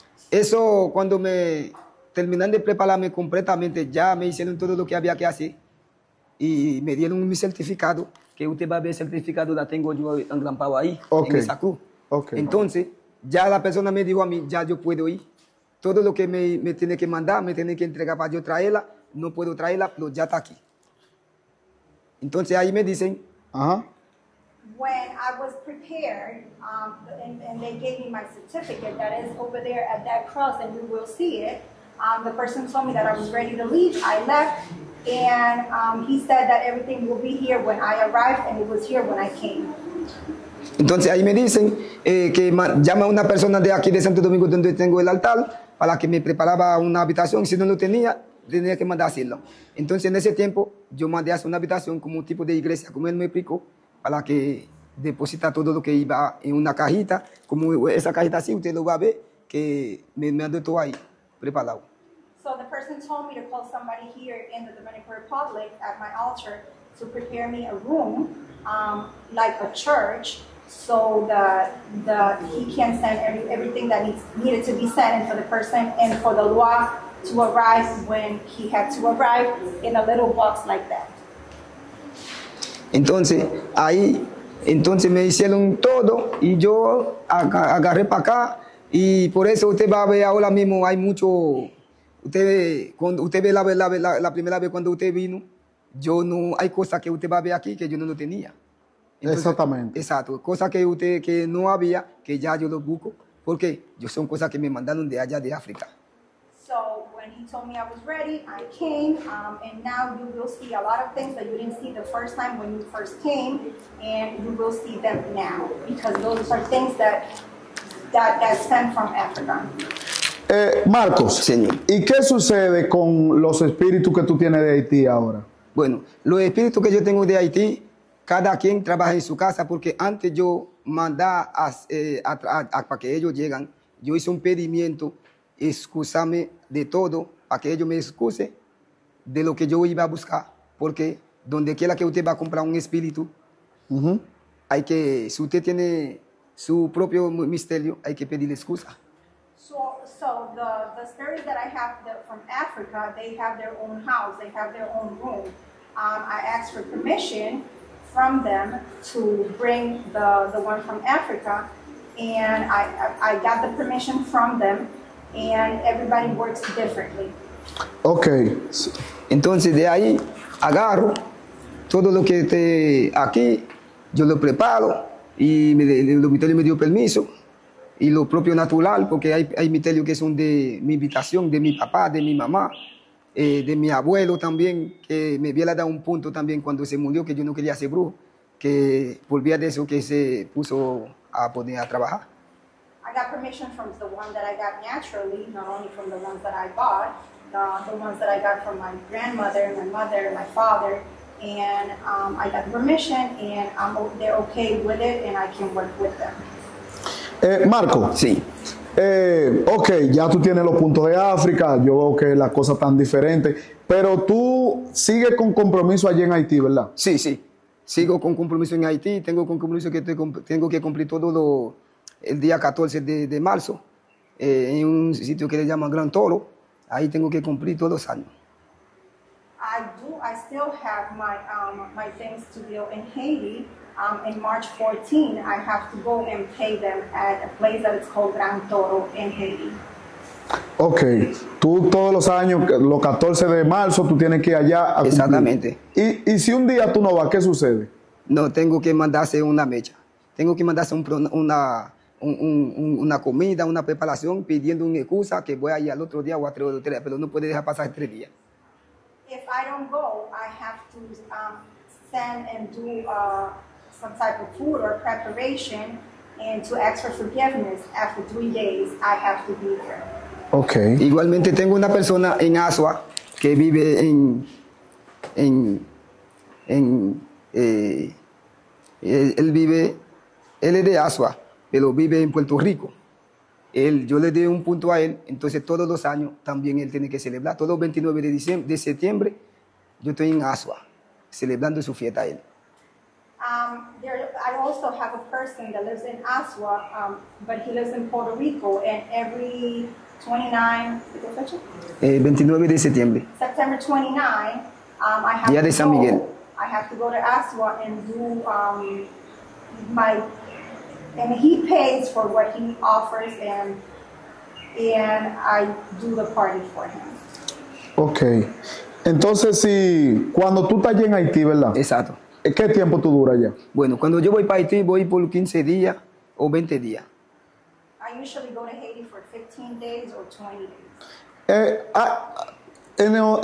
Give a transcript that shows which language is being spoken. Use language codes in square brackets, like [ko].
[es] Eso, cuando me terminan de prepararme completamente, ya me hicieron todo lo que había que hacer y me dieron mi certificado, que usted va a ver el certificado, la tengo yo engrampado ahí, [en] okay, [es] en el saco. [en] Okay. [es] Entonces, ya la persona me dijo a mí, ya yo puedo ir. Todo lo que me tiene que mandar, me tiene que entregar para yo traerla, no puedo traerla, pero ya está aquí. Entonces, ahí me dicen, ajá, [en] when I was prepared, and they gave me my certificate that is over there at that cross, and you will see it. The person told me that I was ready to leave. I left, and he said that everything will be here when I arrived, and it was here when I came. [es] Entonces ahí me dicen que llama una persona de aquí de Santo Domingo donde tengo el altar para que me preparaba una habitación. Si no lo tenía, tenía que mandar hacerlo. Entonces en ese tiempo yo mandé a hacer una habitación como un tipo de iglesia, como él me explicó, para que deposita todo lo que iba en una cajita, como esa cajita así, usted lo va a ver, que me mandó todo ahí, preparado. [en] So the person told me to call somebody here in the Dominican Republic at my altar to prepare me a room, like a church, so that he can send everything that needed to be sent, and for the person and for the Lua to arrive when he had to arrive in a little box like that. [es] Entonces, ahí, entonces me hicieron todo y yo agarré para acá y por eso usted va a ver ahora mismo hay mucho. Usted ve, cuando usted ve la primera vez cuando usted vino, yo no hay cosas que usted va a ver aquí que yo no lo tenía. Entonces, exactamente. Exacto, cosas que usted que no había que ya yo lo busco porque yo son cosas que me mandaron de allá de África. [en] So when he told me I was ready, I came, and now you will see a lot of things that you didn't see the first time when you first came, and you will see them now because those are things that that sent from Africa. [es] Marcos, señor. ¿Y qué sucede con los espíritus que tú tienes de Haití ahora? Bueno, los espíritus que yo tengo de Haití, cada quien trabaja en su casa, porque antes yo mandaba para que ellos lleguen, yo hice un pedimiento, excusame de todo, para que ellos me excusen de lo que yo iba a buscar, porque donde quiera que usted va a comprar un espíritu, hay que, si usted tiene su propio misterio, hay que pedir excusa. [en] So the spirits that I have from Africa, they have their own house, they have their own room. I asked for permission from them to bring the one from Africa, and I got the permission from them, and everybody works differently. Okay. [es] Entonces de ahí agarro todo lo que esté aquí, yo lo preparo y el dormitorio me dio permiso. Y lo propio natural, porque hay misterios que son de mi invitación, de mi papá, de mi mamá, de mi abuelo también, que me había dado un punto también cuando se murió, que yo no quería ser brujo, que volví a eso que se puso a poner a trabajar. [en] I got permission from the one that I got naturally, not only from the ones that I bought, the ones that I got from my grandmother, my mother, my father, and I got permission, and they're okay with it, and I can work with them. [es] Marco, sí. Ok, ya tú tienes los puntos de África, yo veo que las cosas están diferentes, pero tú sigues con compromiso allí en Haití, ¿verdad? Sí, sí, sigo con compromiso en Haití, tengo con compromiso que tengo que cumplir todo el día 14 de marzo, en un sitio que le llaman Gran Toro, ahí tengo que cumplir todos los años. [en] I still have my things to deal in Haiti. In March 14, I have to go and pay them at a place that is called Gran Toro in Haiti. Okay. [es] Tú todos los años, los 14 de marzo, tú tienes que ir allá a cumplir. Exactamente. Y si un día tú no vas, ¿qué sucede? No, tengo que mandarse una mecha. Tengo que mandarse una comida, una preparación, pidiendo una excusa que voy a ir al otro día o a tres días, pero no puede dejar pasar tres días. [en] If I don't go, I have to send and do some type of food or preparation and to ask for forgiveness. After 3 days, I have to be here. Okay. [es] Igualmente, tengo una persona en Asua que vive él vive, él es de Asua, pero vive en Puerto Rico. Yo le di un punto a él, entonces todos los años también él tiene que celebrar. Todos los 29 de diciembre, de septiembre, yo estoy en Asua, celebrando su fiesta a él. [en] I also have a person that lives in Asua, but he lives in Puerto Rico, and every [es] 29 de septiembre. [en] September 29, [es] Día de San Miguel. [en] I have to go to Asua and do my... And he pays for what he offers, and I do the party for him. Okay. [es] Entonces, si cuando tú estás allá en Haití, ¿verdad? Exacto. ¿Qué tiempo tú duras allá? Bueno, cuando yo voy para Haití, voy por 15 días o 20 días. [en] I usually go to Haiti for 15 days or 20 days.